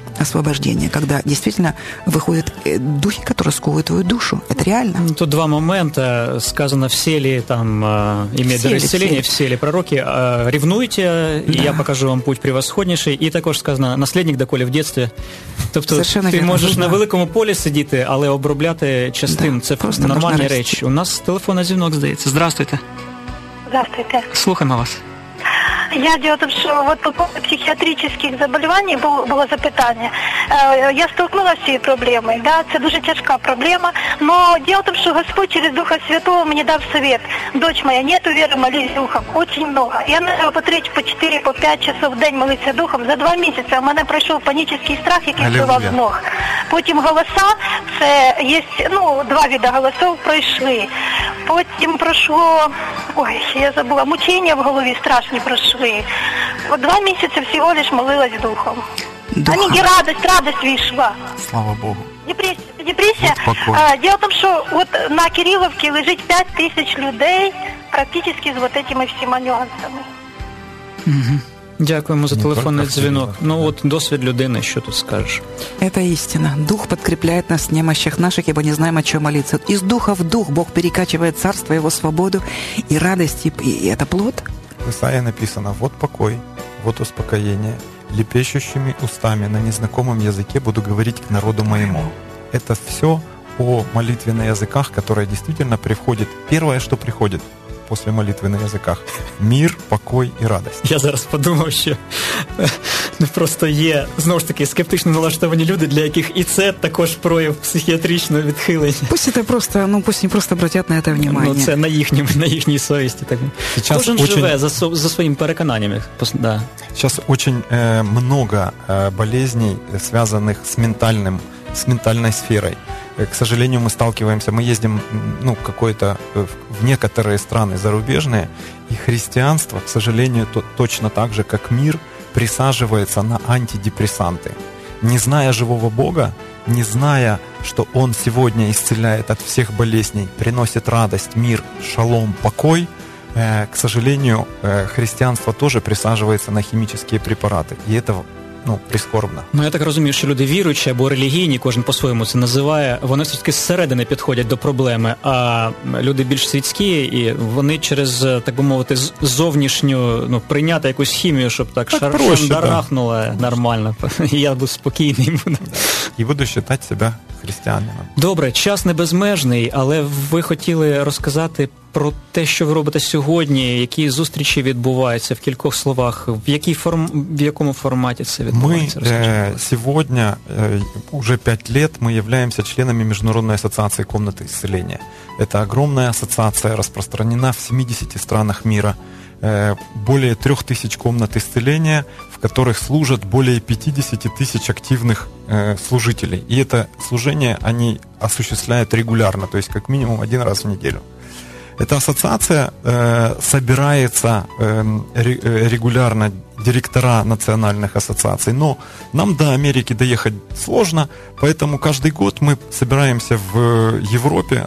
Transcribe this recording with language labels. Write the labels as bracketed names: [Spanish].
[Russian] Освобождение, когда действительно выходят духи, которые сковывают твою душу. Это реально. Тут два момента. Сказано, все ли там имеют дар исцеления, все ли пророки. Ревнуйте, да. И я покажу вам путь превосходнейший. И також сказано, наследник доколе в детстве. [Ukrainian] Тобто [Russian] совершенно ты верно, можешь [Ukrainian] на великому полі сидіти, але обробляти частин. Да. Це просто нормальна речь. У нас телефон на дзвінок, здається. [Russian] Здравствуйте. Здравствуйте. [Ukrainian] Слухаємо вас. [Russian] Я дело в том, что вот по поводу психиатрических заболеваний было запитание. Я столкнулась с этой проблемой, да, это очень тяжкая проблема. Но дело в том, что Господь через Духа Святого мне дал совет. Дочь моя, нету веры, молись Духом. Очень много. Я начала по 3, по 4, по 5 часов в день молиться Духом. За 2 месяца у меня прошел панический страх, который сбивал с ног. Потом голоса, это есть, ну, 2 вида голосов прошли. Потом прошло, ой, я забыла, мучения в голове страшные прошли. Вы 2 месяца всего лишь молилась Духом. Духом. Они, и радость вышла. Слава Богу. Депрессия. Дело в том, что вот на Кирилловке лежит 5000 людей практически с вот этими всеми нюансами. Угу. [Ukrainian] Дякуємо за телефонний дзвінок. Ну, от, досвід людини, що тут скажеш? [Russian] Это истина. Дух подкрепляет нас в немощах наших, ибо не знаем, о чем молиться. Из Духа в Дух Бог перекачивает царство, его свободу и радость. И это плод. В Исаии написано, вот покой, вот успокоение, лепещущими устами на незнакомом языке буду говорить к народу моему. Это все о молитве на языках, которая действительно приходит, первое, что приходит после молитвы на языках, мир, покой и радость. [Ukrainian] Я зараз [Russian] подумал, что ну, просто есть, [Ukrainian] знову ж таки, скептично налаштовані люди, для яких и це також прояв психіатричного відхилення. [Russian] Пусть это просто, ну пусть они просто обратят на это внимание. [Ukrainian] Ну це на їхній совісті. Так. [Russian] Сейчас [Ukrainian] кожен очень... живе за своїм переконанням. [Russian] Да. Сейчас очень много болезней, связанных с ментальным, с ментальной сферой. К сожалению, мы сталкиваемся, мы ездим ну, какой-то в некоторые страны зарубежные, и христианство, к сожалению, точно так же, как мир, присаживается на антидепрессанты. Не зная живого Бога, не зная, что Он сегодня исцеляет от всех болезней, приносит радость, мир, шалом, покой, к сожалению, христианство тоже присаживается на химические препараты, и это... Ну, прискорбно. [Ukrainian] Ну, я так розумію, що люди віруючі або релігійні, кожен по-своєму це називає, вони все-таки зсередини підходять до проблеми, а люди більш світські, і вони через, так би мовити, зовнішню, ну, прийняти якусь хімію, щоб так шандарахнуло, да. Нормально, і я буду спокійний. І буду вважати себе християнином. Добре, час не безмежний, але ви хотіли розказати про те, що ви робите сьогодні, які зустрічі відбуваються, в кількох словах, в якому форматі це відбувається? Ми сьогодні, вже 5 років, ми являємося членами Міжнародної асоціації комнати зселення. Це огромна асоціація, розпространена в 70 странах світу. [Russian] Более 3000 комнат исцеления, в которых служат более 50 тысяч активных служителей. И это служение они осуществляют регулярно, то есть как минимум один раз в неделю. Эта ассоциация собирается регулярно, директора национальных ассоциаций, но нам до Америки доехать сложно, поэтому каждый год мы собираемся в Европе.